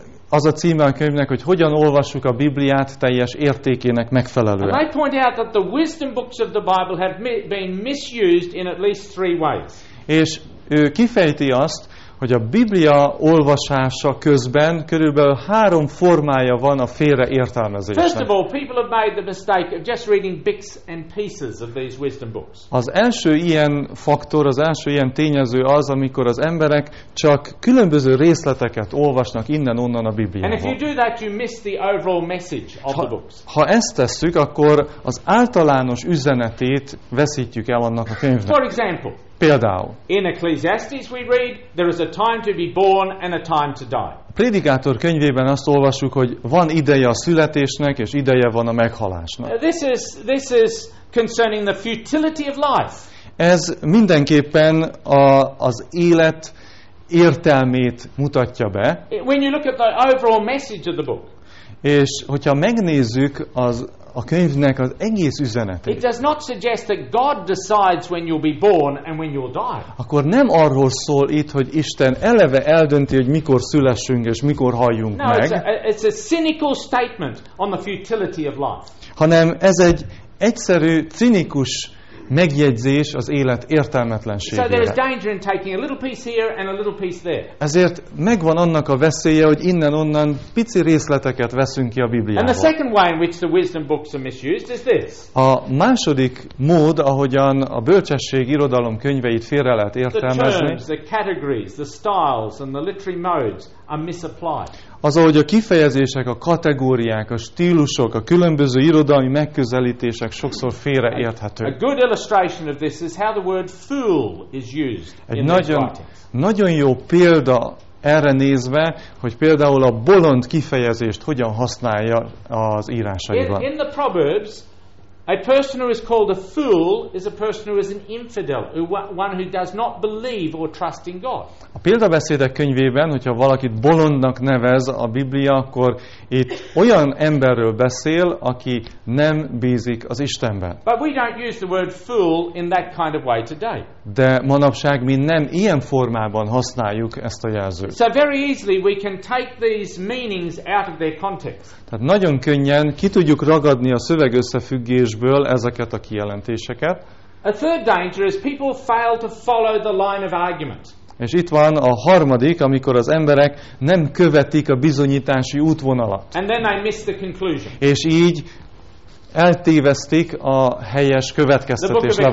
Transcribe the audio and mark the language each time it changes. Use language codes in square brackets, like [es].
[hu] Az a címe a könyvnek, hogy hogyan olvassuk a Bibliát teljes értékének megfelelően. [en] And I point out that the wisdom books of the Bible have been misused in at least three ways. [hu] És ő kifejti azt, hogy a Biblia olvasása közben körülbelül három formája van a félreértelmezésnek. [en] First of all, people have made the mistake of just reading bits and pieces of these wisdom books. [hu] Az első ilyen faktor, az első ilyen tényező az, amikor az emberek csak különböző részleteket olvasnak innen-onnan a Bibliából. [en] And if you do that, you miss the overall message of the books. [hu] Ha ezt tesszük, akkor az általános üzenetét veszítjük el annak a könyvnek. [en] For example, [hu] például. [en] In Ecclesiastes we read, there is a time to be born and a time to die. [hu] Prédikátor könyvében azt olvassuk, hogy van ideje a születésnek és ideje van a meghalásnak. [en] This is concerning the futility of life. [hu] Ez mindenképpen az élet értelmét mutatja be. [en] When you look at the overall message of the book. [hu] És hogyha megnézzük a könyvnek az egész üzenetét. [en] It does not suggest that God decides when you'll be born and when you'll die. [hu] Akkor nem arról szól itt, hogy Isten eleve eldönti, hogy mikor szülessünk és mikor halljunk no, meg. [en] It's a cynical statement on the futility of life. [hu] Hanem ez egy egyszerű, cinikus megjegyzés az élet értelmetlenségére. [en] So there is danger in taking a little piece here and a little piece there. [hu] Ezért megvan annak a veszélye, hogy innen-onnan pici részleteket veszünk ki a Bibliából. [en] And the second way in which the wisdom books are misused is this. [hu] A második mód, ahogyan a bölcsesség irodalom könyveit félre lehet értelmezni. [en] The terms, the categories, the styles and the literary modes are misapplied. [hu] Az, ahogy a kifejezések, a kategóriák, a stílusok, a különböző irodalmi megközelítések sokszor félreérthetők. [en] A good illustration of this is how the word fool is used. [hu] Egy nagyon jó példa erre nézve, hogy például a bolond kifejezést hogyan használja az írásaiban. [en] In the Proverbs, A person who is called a fool is a person who is an infidel, one who does not believe or trust in God. [hu] A példabeszédek könyvében, hogyha valakit bolondnak nevez a Biblia, akkor itt olyan emberről beszél, aki nem bízik az Istenben. [en] But we don't use the word fool in that kind of way today. [hu] De manapság mi nem ilyen formában használjuk ezt a jelzőt. [en] So very easily we can take these meanings out of their context. [hu] Tehát nagyon könnyen ki tudjuk ragadni a szöveg összefüggésből ezeket a kijelentéseket. [en] A third danger is people fail to follow the line of argument. [hu] És itt van a harmadik, amikor az emberek nem követik a bizonyítási útvonalat. [en] And then they miss the conclusion. [hu] És így eltévesztik a helyes következtetés levonását.